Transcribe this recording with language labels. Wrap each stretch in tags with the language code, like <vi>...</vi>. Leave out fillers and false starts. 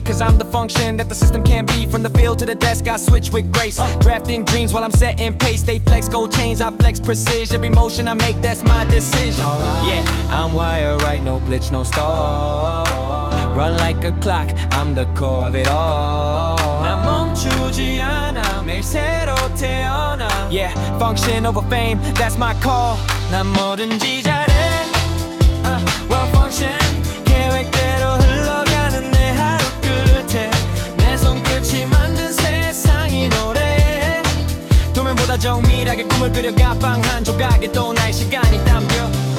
<en>Cause I'm the function that the system can't be. From the field to the desk, I switch with grace. Drafting dreams while I'm setting pace. They flex gold chains, I flex precision. Every motion I make, that's my decision. Yeah, I'm wired right, no glitch, no stall. Run like a clock, I'm the core of it all.</en> <ko>난 멈추지 않아, 매일 새로 태어나.</ko> <en>Yeah, function over fame, that's my call.</en> <ko>난 뭐든지 잘해.</ko> <en>Well function,</en> <ko>계획대로 흘러가는 내 하루 끝에. 내 손끝이 만든 세상이 노래해. 도면보다 정밀하게 꿈을 그려가. 빵 한 조각에 또 나의 시간이 담겨.</ko>